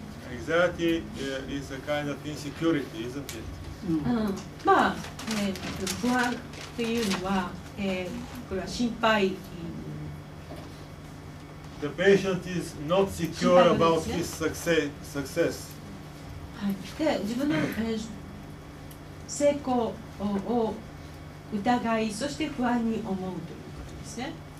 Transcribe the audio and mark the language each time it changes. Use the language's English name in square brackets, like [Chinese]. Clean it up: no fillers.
[English] Anxiety is a kind of insecurity, isn't it? [Japanese] まあ、不安というのは、これは心配。 [English] The patient is not secure about his success. [Japanese] はい。で、自分の、成功を疑い、そして不安に思うということですね。